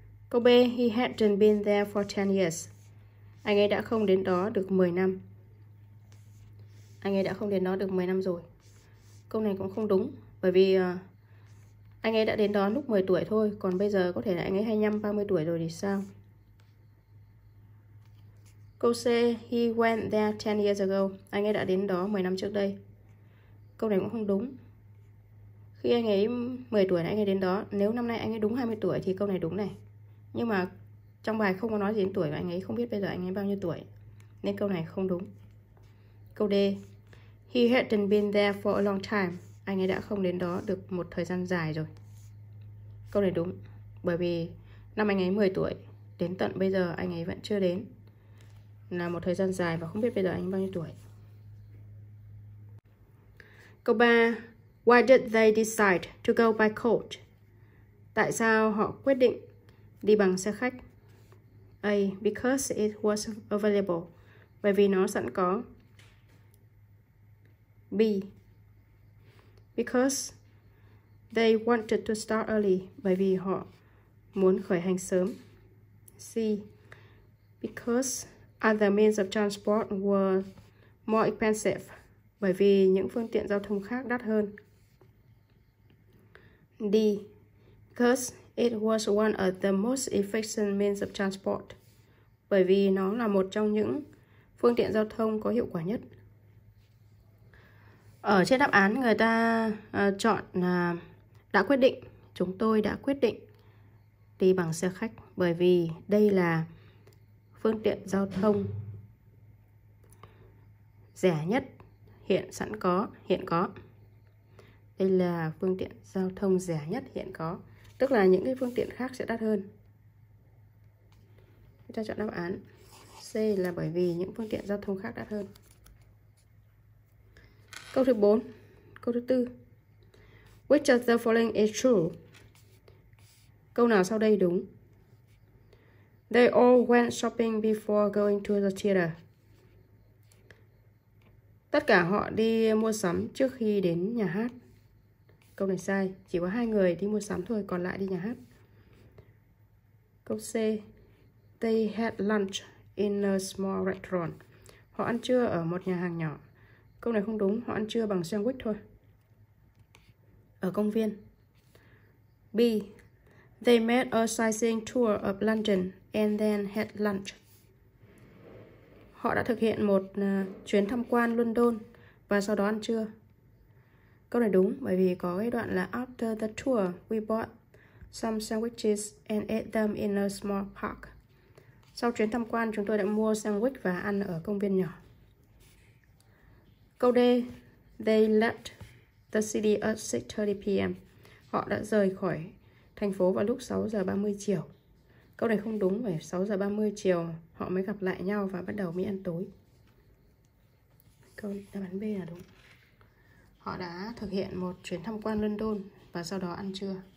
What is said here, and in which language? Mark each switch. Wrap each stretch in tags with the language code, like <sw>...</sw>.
<en>Câu B, he hadn't been there for 10 years.</en> <vi>Anh ấy đã không đến đó được 10 năm. Anh ấy đã không đến đó được 10 năm rồi. Câu này cũng không đúng. Bởi vì anh ấy đã đến đó lúc 10 tuổi thôi. Còn bây giờ có thể là anh ấy 25, 30 tuổi rồi thì sao? Câu C,</vi> <en>he went there 10 years ago.</en> <vi>Anh ấy đã đến đó 10 năm trước đây. Câu này cũng không đúng. Khi anh ấy 10 tuổi anh ấy đến đó. Nếu năm nay anh ấy đúng 20 tuổi thì câu này đúng này. Nhưng mà trong bài không có nói gì đến tuổi và anh ấy không biết bây giờ anh ấy bao nhiêu tuổi. Nên câu này không đúng. Câu D.</vi> <en>He hadn't been there for a long time.</en> <vi>Anh ấy đã không đến đó được một thời gian dài rồi. Câu này đúng, bởi vì năm anh ấy 10 tuổi, đến tận bây giờ anh ấy vẫn chưa đến. Là một thời gian dài và không biết bây giờ anh bao nhiêu tuổi.</vi> <en>Câu 3, why did they decide to go by coach?</en> <vi>Tại sao họ quyết định đi bằng xe khách?</vi> <en>A, because it was available.</en> <vi>Bởi vì nó sẵn có.</vi> <en>B, because they wanted to start early.</en> <vi>Bởi vì họ muốn khởi hành sớm.</vi> <en>C, because other means of transport were more expensive.</en> <vi>Bởi vì những phương tiện giao thông khác đắt hơn.</vi> <en>D, because it was one of the most efficient means of transport.</en> <vi>Bởi vì nó là một trong những phương tiện giao thông có hiệu quả nhất. Ở trên đáp án người ta chọn là đã quyết định, chúng tôi đã quyết định đi bằng xe khách bởi vì đây là phương tiện giao thông rẻ nhất hiện sẵn có, hiện có. Đây là phương tiện giao thông rẻ nhất hiện có, tức là những cái phương tiện khác sẽ đắt hơn. Ta chọn đáp án C là bởi vì những phương tiện giao thông khác đắt hơn. Câu thứ 4, câu thứ 4.</vi> <en>Which of the following is true?</en> <vi>Câu nào sau đây đúng?</vi> <en>They all went shopping before going to the theater.</en> <vi>Tất cả họ đi mua sắm trước khi đến nhà hát. Câu này sai, chỉ có hai người đi mua sắm thôi, còn lại đi nhà hát. Câu C.</vi> <en>They had lunch in a small restaurant.</en> <vi>Họ ăn trưa ở một nhà hàng nhỏ. Câu này không đúng, họ ăn trưa bằng sandwich thôi. Ở công viên. B.</vi> <en>They made a sightseeing tour of London and then had lunch.</en> <vi>Họ đã thực hiện một chuyến tham quan London và sau đó ăn trưa. Câu này đúng, bởi vì có cái đoạn là</vi> <en>after the tour, we bought some sandwiches and ate them in a small park.</en> <vi>Sau chuyến tham quan, chúng tôi đã mua sandwich và ăn ở công viên nhỏ.</vi> <en>Câu D, they left the city at 6:30 p.m.</en> <vi>Họ đã rời khỏi thành phố vào lúc 6:30 chiều. Câu này không đúng, phải 6:30 chiều họ mới gặp lại nhau và bắt đầu mới ăn tối. Câu đáp án B là đúng. Họ đã thực hiện một chuyến tham quan London và sau đó ăn trưa.</vi>